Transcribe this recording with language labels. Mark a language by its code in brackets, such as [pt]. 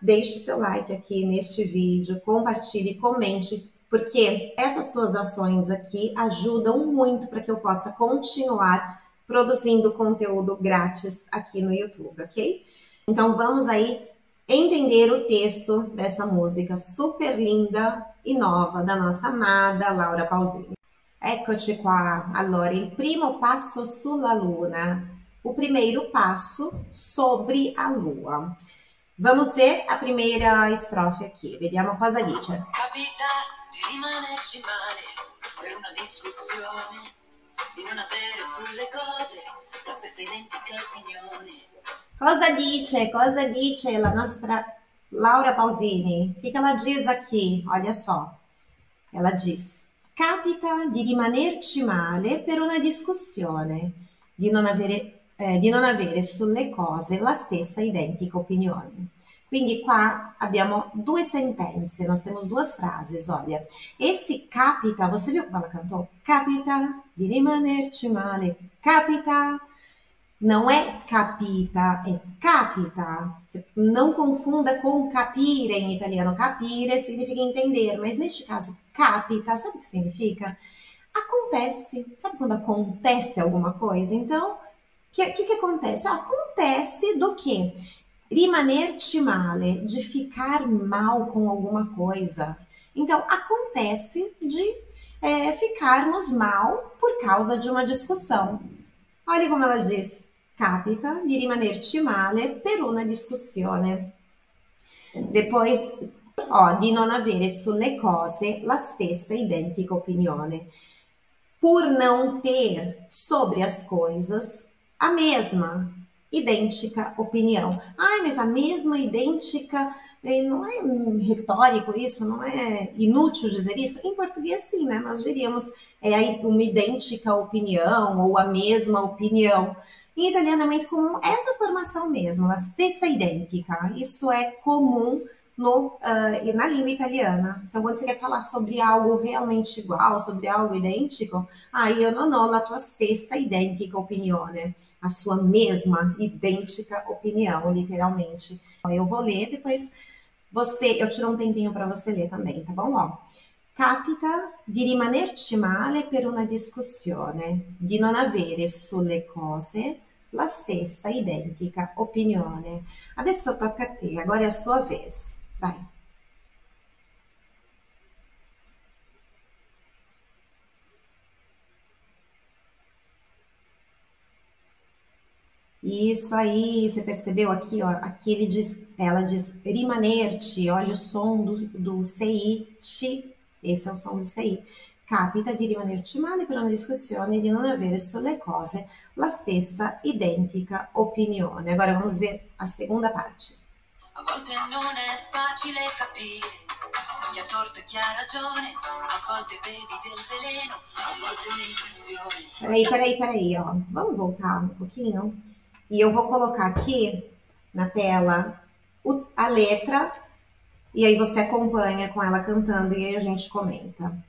[pt] Deixe seu like aqui neste vídeo, compartilhe, comente, porque essas suas ações aqui ajudam muito para que eu possa continuar produzindo conteúdo grátis aqui no YouTube, ok? Então vamos aí entender o texto dessa música super linda e nova da nossa amada Laura Pausini. [it] Eccoci qua. Allora, il primo passo sulla luna. [pt] O primeiro passo sobre a lua. Vamos ver a primeira estrofe aqui. [it] Vediamo cosa dice. Capita di rimanerci male per una discussione, di non avere sulle cose la stessa identica opinione. Cosa dice la nostra Laura Pausini? [pt] Che ela diz aqui? Olha só. Ela diz: [it] capita di rimanerci male per una discussione, di non avere sulle cose la stessa identica opinione. Quindi qua abbiamo due sentenze, [pt] nós temos duas frases, olha. Esse capita, você viu como ela cantou? [it] Capita di rimanerci male, capita. [pt] Não é capita, é capita. Não confunda com capire em italiano. Capire significa entender, mas neste caso, capita, sabe o que significa? Acontece. Sabe quando acontece alguma coisa? Então, que acontece? Acontece do quê? [it] Rimanerci male, [pt] de ficar mal com alguma coisa. Então, acontece de ficarmos mal por causa de uma discussão. Olha como ela diz. [it] Capita di rimanerci male per una discussione. [pt] Depois, [it] di non avere sulle cose la stessa identica opinione. [pt] Por não ter sobre as coisas a mesma identica opinião. Ai, mas a mesma idêntica, não é retórico isso? Não é inútil dizer isso? Em português, sim, né? Nós diríamos uma idêntica opinião ou a mesma opinião. Em italiano é muito comum essa formação mesmo, [it] la stessa identica. [pt] Isso é comum no, na língua italiana. Então, quando você quer falar sobre algo realmente igual, sobre algo idêntico, aí eu não [it] ho la tua stessa identica opinione, [pt] a sua mesma idêntica opinião, literalmente. Eu vou ler, depois eu tiro um tempinho para você ler também, tá bom? Ó. [it] Capita di rimanerci male per una discussione, di non avere sulle cose la stessa identica opinione. Adesso tocca a te, [pt] agora è a sua vez. Vai. Isso aí, você percebeu aqui, ó, aqui ele diz, ela diz rimanerci, olha o som do CI, ci, esse é o som do CI. [it] Capita di rimanerci male per una discussione di non avere sulle cose la stessa identica opinione. [pt] Agora vamos ver a segunda parte. [it] A volte non è facile capire chi ha torto e chi ha ragione, a volte bevi del veleno, a volte un'impressione. [pt] Peraí, ó. Vamos voltar um pouquinho? E eu vou colocar aqui na tela a letra, e aí você acompanha com ela cantando, e aí a gente comenta.